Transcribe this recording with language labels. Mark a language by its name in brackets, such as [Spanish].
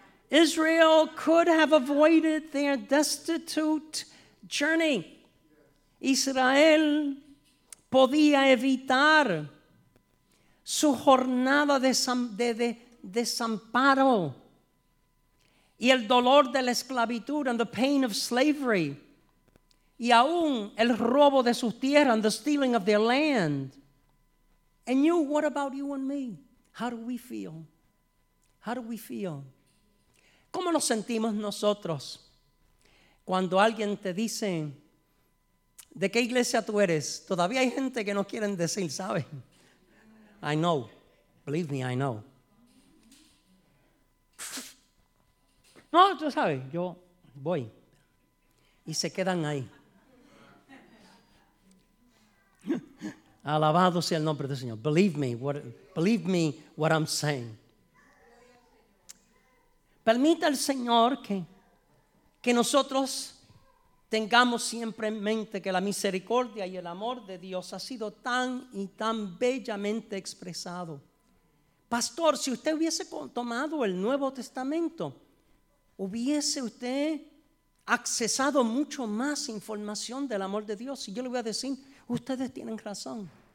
[English] Israel could have avoided their destitute journey. [Spanish] Israel podía evitar su jornada de desamparo y el dolor de la esclavitud [English] and the pain of slavery [Spanish] y aún el robo de sus tierras [English] and the stealing of their land. And you, what about you and me? How do we feel? How do we feel? [Spanish] ¿Cómo nos sentimos nosotros cuando alguien te dice, ¿de qué iglesia tú eres? Todavía hay gente que no quieren decir, ¿sabes? [English] I know, believe me, I know. [Spanish] No, tú sabes, yo voy. Y se quedan ahí. Alabado sea el nombre del Señor. [English] Believe me what I'm saying. [Spanish] Permita al Señor que nosotros tengamos siempre en mente que la misericordia y el amor de Dios ha sido tan y tan bellamente expresado. Pastor, si usted hubiese tomado el Nuevo Testamento, hubiese usted accesado mucho más información del amor de Dios. Y yo le voy a decir, ustedes tienen razón.